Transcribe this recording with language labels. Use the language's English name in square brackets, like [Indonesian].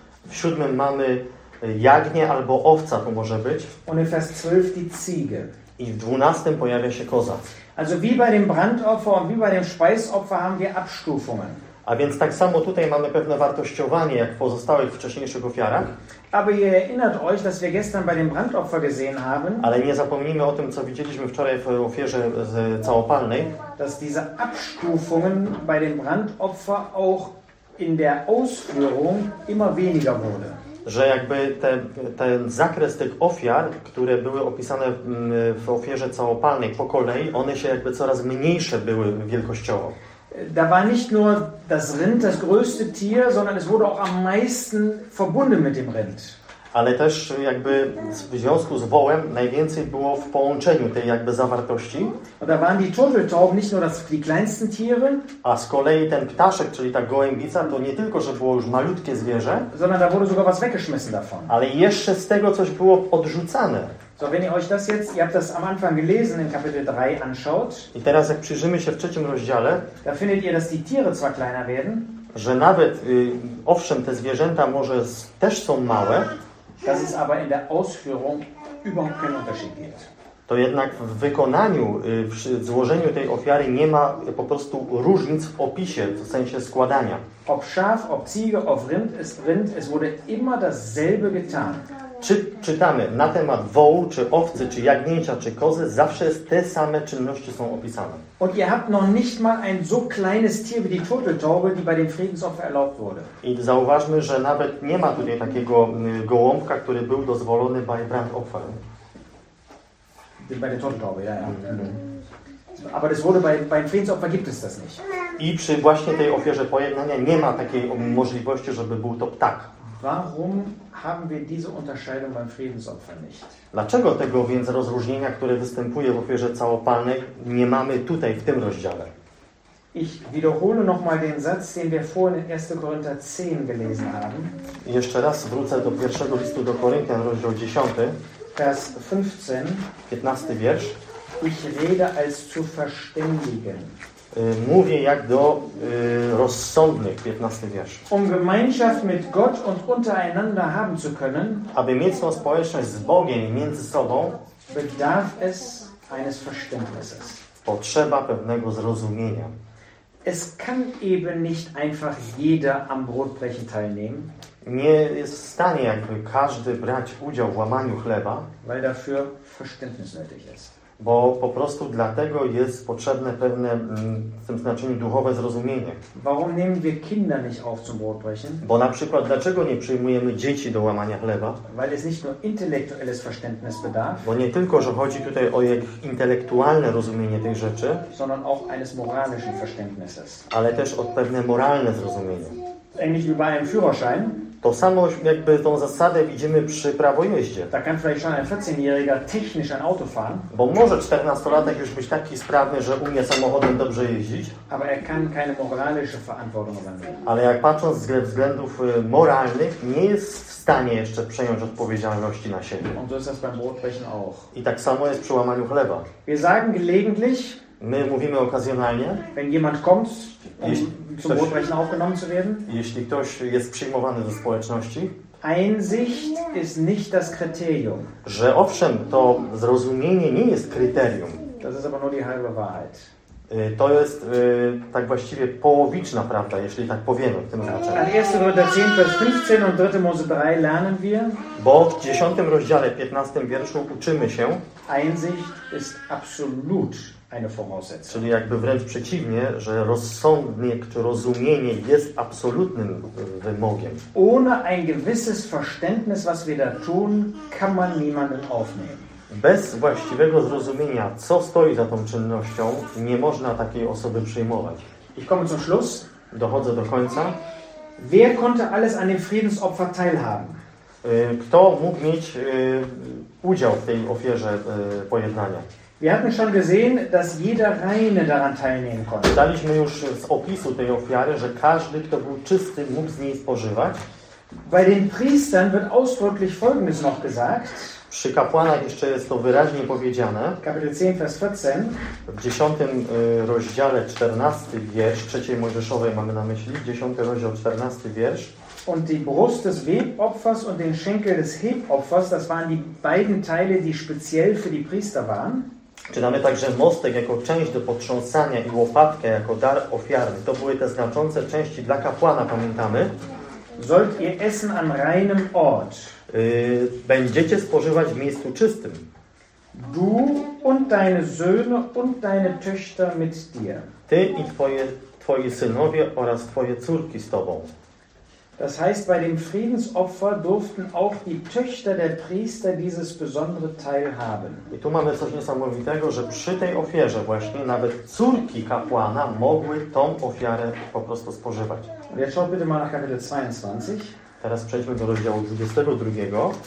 [Polish] W siódmym mamy jagnię albo owca, to może być. [German] Und in Vers 12 die Ziege. [Polish] I w 12 pojawia się koza. [German] Also wie bei dem Brandopfer und wie bei dem Speisopfer haben wir Abstufungen. [Polish] A więc tak samo tutaj mamy pewne wartościowanie jak w pozostałych wcześniejszych ofiarach. [German] Aber ihr erinnert euch, dass wir gestern bei dem Brandopfer gesehen haben. [Polish] Ale nie zapomnijmy o tym, co widzieliśmy wczoraj w ofierze całopalnej. [German] Dass diese Abstufungen bei dem Brandopfer auch in der Ausführung immer weniger wurde. [Polish] Że jakby ten zakres tych ofiar, które były opisane w ofierze całopalnej po kolei, one się jakby coraz mniejsze były wielkościowo. [German] Da war nicht nur das Rind das größte Tier, sondern es wurde auch am meisten verbunden mit dem Rind. [Polish] Ale też jakby w związku z wołem najwięcej było w połączeniu tej jakby zawartości. [German] Da waren die Turteltauben nicht nur das die kleinsten Tiere. [Polish] A z kolei ten ptaszek, czyli ta gołębica, to nie tylko, że było już malutkie zwierzę, [German] sondern da wurde sogar was weggeschmissen davon. [Polish] Ale jeszcze z tego coś było odrzucane. [German] So, wenn ihr euch das jetzt, ihr habt das am Anfang gelesen in Kapitel 3 anschaut. [Polish] I teraz jak przyjrzymy się w trzecim rozdziale, [German] da findet ihr, dass die Tiere zwar kleiner werden, [Polish] że nawet owszem, te zwierzęta może też są małe. [German] Das ist aber in der Ausführung überhaupt keinen Unterschied gibt. [Polish] To jednak w wykonaniu, przy złożeniu tej ofiary nie ma po prostu różnic w opisie, w sensie składania. [German] Ob Schaf, ob Ziege, ob Rind ist Rind, es wurde immer dasselbe getan. [Polish] Czytamy na temat wołu, czy owcy, czy jagnięcia, czy kozy, zawsze te same czynności są opisane. [German] Und ihr habt noch nicht mal ein so kleines Tier wie die Turteltaube, die bei dem Friedensopfer erlaubt wurde. [Polish] I zauważmy, że nawet nie ma tutaj takiego gołąbka, który był dozwolony [German] bei Brandopfer. Bei der Turteltaube, ja, ja. Mm-hmm. Aber das wurde bei Friedensopfer gibt es das nicht. [Polish] I przy właśnie tej ofierze pojednania nie ma takiej możliwości, żeby był to ptak. [German] Warum haben wir diese Unterscheidung beim Friedensopfer nicht? [Polish] Dlaczego tego więc rozróżnienia, które występuje w ofierze całopalnej, nie mamy tutaj w tym rozdziale? [German] Ich wiederhole noch mal den Satz, den wir vorhin in 1. Korinther 10 gelesen haben. [Polish] Jeszcze raz wrócę do pierwszego listu do Koryntian, rozdział 10. [German] Vers 15. [Polish] 15. wiersz. [German] Ich rede als zu Verständigen. [Polish] Mówię jak do rozsądnych, 15 wiersz. [German] Um Gemeinschaft mit Gott und untereinander haben zu können, [Polish] aby mieć tą społeczność z Bogiem i między sobą, [German] bedarf es eines Verständnisses. [Polish] Potrzeba pewnego zrozumienia. [German] Es kann eben nicht einfach jeder am Brotbrechen teilnehmen. [Polish] Nie jest w stanie jakby każdy brać udział w łamaniu chleba, [German] weil dafür Verständnis nötig ist. [Polish] Bo po prostu dlatego jest potrzebne pewne w tym znaczeniu duchowe zrozumienie. [German] Warum nehmen wir Kinder nicht auf zum Brotbrechen? [Polish] Bo na przykład dlaczego nie przyjmujemy dzieci do łamania chleba? [German] Weil es nicht nur intellektuelles Verständnis bedarf. [Polish] Bo nie tylko, że chodzi tutaj o ich intelektualne rozumienie tej rzeczy, [German] sondern auch eines moralischen Verständnisses. [Polish] Ale też o pewne moralne zrozumienie. [German] Ähnlich wie bei einem Führerschein. [Polish] To samo jakby tą zasadę widzimy przy prawojeździe. [German] Da kann vielleicht schon ein 14-jähriger technisch ein Auto fahren. [Polish] Bo może 14-latek już być taki sprawny, że umie samochodem dobrze jeździć. [German] Aber er kann keine moralische Verantwortung übernehmen. [Polish] Ale jak patrząc ze względów moralnych, nie jest w stanie jeszcze przejąć odpowiedzialności na siebie. [German] Und so ist das beim Brotbrechen auch. [Polish] I tak samo jest przy łamaniu chleba. [German] Wir sagen gelegentlich, [Polish] My mówimy okazjonalnie. [German] Wenn jemand kommt, zum Brotbrechen aufgenommen zu werden. [Polish] Jeśli ktoś jest przyjmowany do społeczności. [German] Einsicht ist nicht das Kriterium. [Polish] Że owszem, to zrozumienie nie jest kryterium. [German] Das ist aber nur die halbe Wahrheit. [Polish] To jest tak właściwie połowiczna prawda, jeśli tak powiemy w tym znaczeniu. [German] Ale 1 Korinther 10, Vers 15 und 3 Mose 3 lernen wir. [Polish] Bo w 10 rozdziale, 15 wierszu uczymy się. [German] Einsicht ist absolut eine Voraussetzung. [Polish] Czyli jakby wręcz przeciwnie, że rozsądnik czy rozumienie jest absolutnym wymogiem. [German] Ohne ein gewisses Verständnis, was wir da tun, kann man niemanden aufnehmen. [Polish] Bez właściwego zrozumienia, co stoi za tą czynnością, nie można takiej osoby przyjmować. [German] Ich komme zum Schluss. [Polish] Dochodzę do końca. [German] Wer konnte alles an dem Friedensopfer teilhaben? [Polish] Kto mógł mieć udział w tej ofierze pojednania? [German] Wir hatten schon gesehen, dass jeder reine daran teilnehmen konnte. [Polish] Daliśmy już z opisu tej ofiary, że każdy, kto był czysty, mógł z niej spożywać. [German] Bei den Priestern wird ausdrücklich Folgendes noch gesagt. [Polish] Przy kapłanach jeszcze jest to wyraźnie powiedziane. [German] Kapitel 10, Vers 14. [Polish] W 10 rozdziale 14 wiersz, 3 Mojżeszowej mamy na myśli, 10 rozdział 14 wiersz. [German] Und die Brust des Webopfers und den Schenkel des Hebopfers, das waren die beiden Teile, die speziell für die Priester waren. [Polish] Czytamy także mostek jako część do potrząsania i łopatkę jako dar ofiarny. To były te znaczące części dla kapłana, pamiętamy. [German] Sollt ihr essen an reinem Ort. [Polish] Będziecie spożywać w miejscu czystym. [German] Du und deine Söhne und deine Töchter mit dir. [Polish] Ty i twoi synowie oraz twoje córki z tobą. [German] Das heißt, bei dem Friedensopfer durften auch die Töchter der Priester dieses besondere Teil haben. [Polish] I tu mamy coś niesamowitego, że przy tej ofierze właśnie nawet córki kapłana mogły tą ofiarę po prostu spożywać. [German] Und jetzt schaut bitte mal nach Kapitel 22. [Polish] Teraz przejdźmy do rozdziału 22.